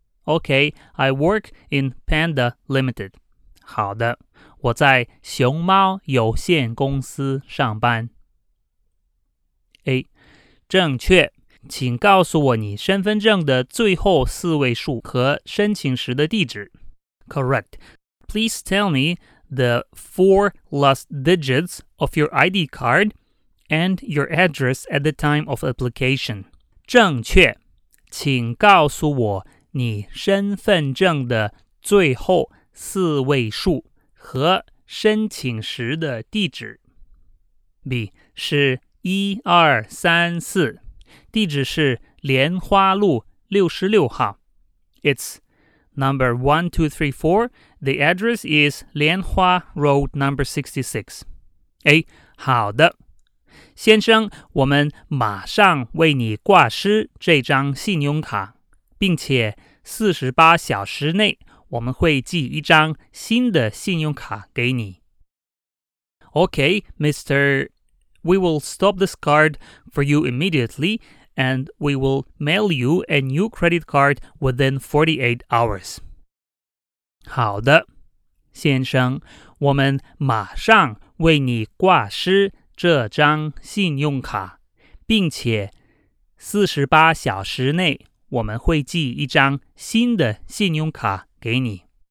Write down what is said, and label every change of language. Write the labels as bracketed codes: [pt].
[en] Okay, I work in Panda Limited. [zh] 好的，我在熊猫有限公司上班。 A, 正确，请告诉我你身份证的最后四位数和申请时的地址。 [en] Correct. Please tell me the four last digits of your ID card and your address at the time of application. [zh] 正确，请告诉我你身份证的最后四位数和申请时的地址。 B 是1234，地址是莲花路66号。 [en] It's number 1234. The address is 莲花 Road number 66. [zh] A, 好的。先生，我们马上为你挂失这张信用卡，并且48小时内我们会寄一张新的信用卡给你。 [en] Okay, Mr. We will stop this card for you immediately and we will mail you a new credit card within 48 hours. [zh] 好的，先生，我们马上为你挂失这张信用卡，并且48小时内我们会寄一张新的信用卡给你。